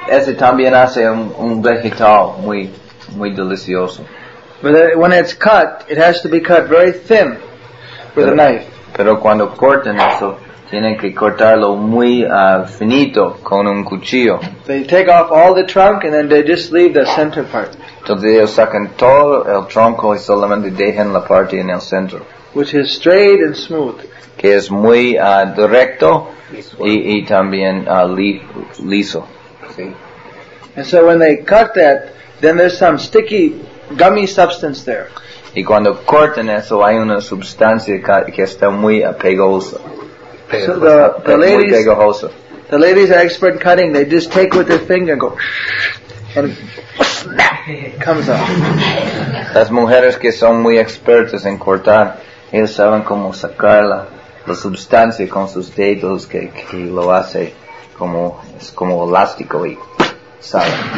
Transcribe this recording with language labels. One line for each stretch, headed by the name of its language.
Spanish: Ese también hace un vegetal muy, muy delicioso.
English: But when it's cut, it has to be cut very thin with a knife.
Spanish: Pero cuando cortan eso, tienen que cortarlo muy finito con un cuchillo.
English: They take off all the trunk and then they just leave the center part.
Spanish: Entonces ellos sacan todo el tronco y solamente dejan la parte en el centro.
English: Which is straight and smooth.
Spanish: Que es muy directo y también liso. Sí.
English: And so when they cut that, then there's some sticky gummy substance there.
Spanish: Y cuando cortan eso hay una sustancia que está muy pegosa.
English: So the ladies are expert in cutting. They just take with their finger and go and snap, comes out.
Spanish: Las mujeres que son muy expertas en cortar, ellos saben cómo sacar la sustancia con sus dedos que lo hace como es como elástico y salen.